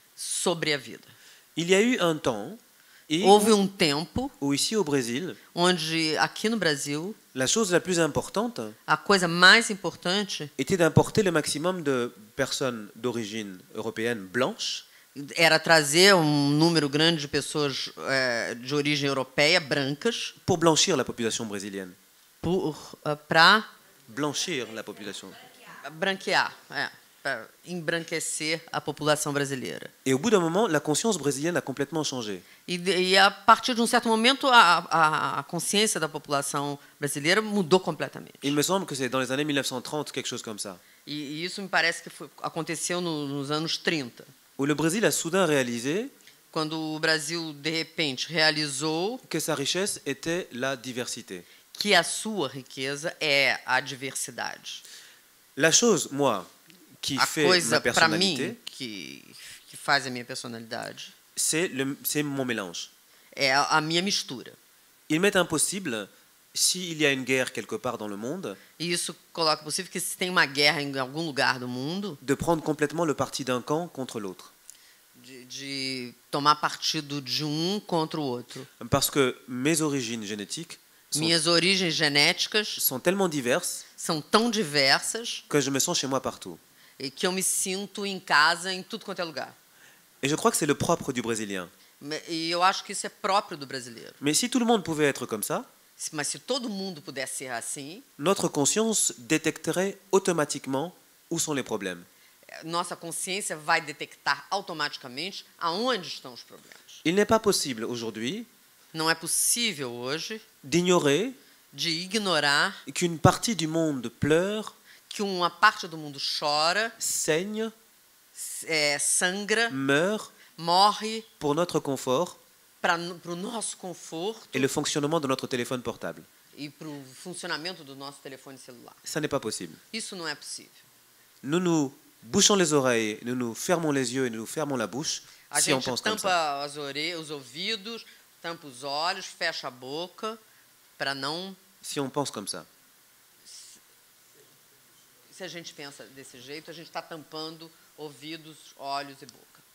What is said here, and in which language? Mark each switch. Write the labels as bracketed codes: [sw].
[pt] Sobre a vida. [fr] Il y a eu un temps. [pt] Et houve um tempo [fr] ici au Brésil, [pt] onde aqui no Brasil [fr] la chose la plus importante, [pt] a coisa mais importante [fr] était d'importer le maximum de personnes d'origine européenne blanche, [pt] era trazer um número grande de pessoas de origem europeia brancas [fr] pour blanchir la population brésilienne, [pt] para [fr] blanchir la population, [pt] branquear embranquecer a população brasileira. [fr] Et au bout d'un moment, la conscience brésilienne a complètement changé. [pt] E a partir de certo momento, a consciência da população brasileira mudou completamente. [fr] Il me semble que c'est dans les années 1930, quelque chose comme ça. [pt] E isso me parece que aconteceu nos anos 30. [fr] Où le Brésil a soudain réalisé, [pt] quando o Brasil de repente realizou, [fr] que sa richesse était la diversité. [pt] Que a sua riqueza é a diversidade. [fr] La chose, moi, qui [pt] a [fr] fait [pt] coisa para mim que faz a minha personalidade, [fr] c'est mon mélange. [pt] É a minha mistura. [fr] Il m'est impossible s'il y a une guerre quelque part dans le monde. [pt] E isso coloca possível que se tem uma guerra em algum lugar do mundo. [fr] De prendre complètement le parti d'un camp contre l'autre. [pt] De tomar partido de um contra o outro. [fr] Parce que mes origines génétiques. [pt] Minhas origens genéticas. [fr] Sont tellement diverses. [pt] São tão diversas. [fr] Que je me sens chez moi partout. [pt] E que eu me sinto em casa em tudo quanto é lugar. [fr] Et je crois que c'est le propre du brésilien. [pt] E eu acho que isso é próprio do brasileiro. [fr] Mais si tout le monde pouvait être comme ça, [pt] mas se todo mundo pudesse ser assim, [fr] notre conscience détecterait automatiquement où sont les problèmes. [pt] Nossa consciência vai detectar automaticamente aonde estão os problemas. [fr] Il n'est pas possible aujourd'hui, [pt] não é possível hoje, [fr] d'ignorer, [pt] de ignorar [fr] qu'une partie du monde pleure, [pt] que uma parte do mundo chora, [fr] saigne, [pt] sangra, [fr] meurt, [pt] morre, [fr] pour notre confort, [pt] para o nosso conforto, [fr] et le fonctionnement de notre téléphone portable. [pt] E para o funcionamento do nosso telefone celular. [fr] Ça n'est pas possible. [pt] Isso não é possível. [fr] Nous nous bouchons les oreilles, nous nous fermons les yeux et nous fermons la bouche. [pt] A [fr] si [pt] gente tampa as orelhas, os ouvidos, tampa os olhos, fecha a boca para não. [fr] Si on pense comme ça. [pt] Se a gente pensa desse jeito, a gente está tampando ouvidos, olhos e boca.